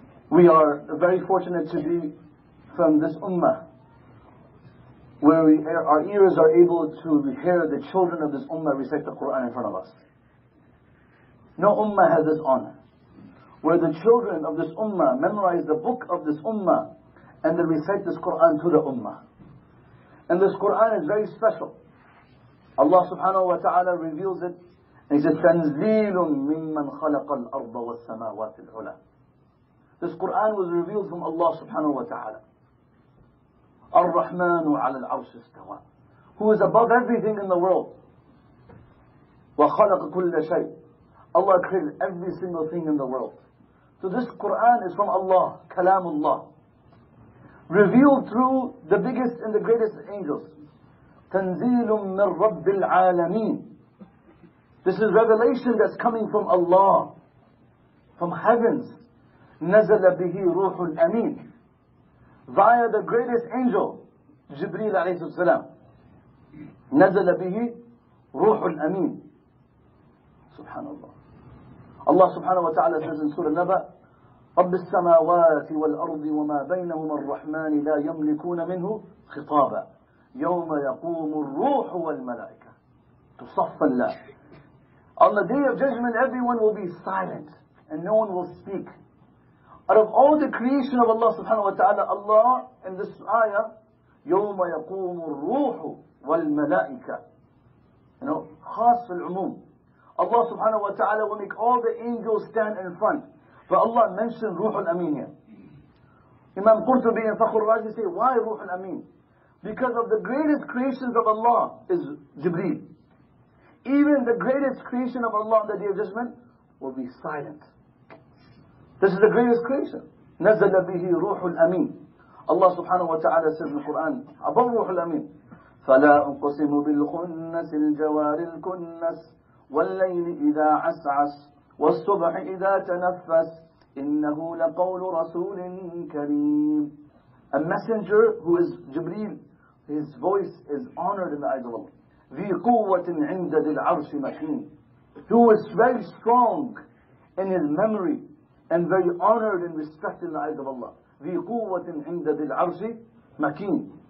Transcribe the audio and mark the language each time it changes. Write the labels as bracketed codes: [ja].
[en] We are very fortunate to be from this ummah, where our ears are able to hear the children of this ummah recite the Quran in front of us. No ummah has this honor, where the children of this ummah memorize the book of this ummah and they recite this Quran to the ummah. And this Qur'an is very special. Allah subhanahu wa ta'ala reveals it. And He says, [ar] تَنْزِيلٌ مِمَّنْ خَلَقَ الْأَرْضَ وَالسَّمَاوَاتِ الْعُلَى. [en] This Qur'an was revealed from Allah subhanahu wa ta'ala. [ar] الرَّحْمَنُ عَلَى الْعَرْشِ اسْتَوَى. [en] Who is above everything in the world. [ar] وَخَلَقَ كُلَّ شَيْءٍ. [en] Allah created every single thing in the world. So this Qur'an is from Allah, [ar] كَلَامُ اللَّهِ. [en] Revealed through the biggest and the greatest angels. [ar] تَنْزِيلٌ مِنْ رَبِّ الْعَالَمِينَ. [en] This is revelation that's coming from Allah, from heavens. [ar] نَزَلَ بِهِ رُوحُ الْأَمِينَ. [en] Via the greatest angel, Jibreel [ar] عليه السلام. نَزَلَ بِهِ رُوحُ الْأَمِينَ. سبحان الله. [en] Allah subhanahu wa ta'ala says in Surah Naba, [ar] رب السماوات والأرض وما بينهما الرحمن لا يملكون منه خطابا يوم يقوم الروح والملائكة تصف الله. [en] On the day of judgment, everyone will be silent and no one will speak. Out of all the creation of Allah subhanahu wa ta'ala, Allah in this ayah, [ar] يوم يقوم الروح والملائكة. [en] You know, [ar] خاص العموم. [en] Allah subhanahu wa ta'ala will make all the angels stand in front. But Allah mentioned Ruh al-Amin here. Imam Qurtubi and Fakhr al-Razi say, why Ruh al-Amin? Because of the greatest creations of Allah is Jibreel. Even the greatest creation of Allah on the Day of Judgment will be silent. This is the greatest creation. نَزَلَ بِهِ رُوحُ الْأَمِينَ. Allah subhanahu wa ta'ala says in the Quran, above Ruh al-Amin, [ar] فَلَا أُقْسِمُ بِالْخُنَّسِ الْجَوَارِ الْكُنَّسِ وَاللَّيْلِ إِذَا عَسْعَسِ والصبح إذا تنفس إنه لقول رسول كريم. [en] A messenger who is Jibreel, his voice is honored in the eyes of Allah. [ar] ذي قوة عند ذي العرش مكين. [en] Who is very strong in his memory and very honored and respected in the eyes of Allah. [ar] ذي قوة عند ذي العرش مكين.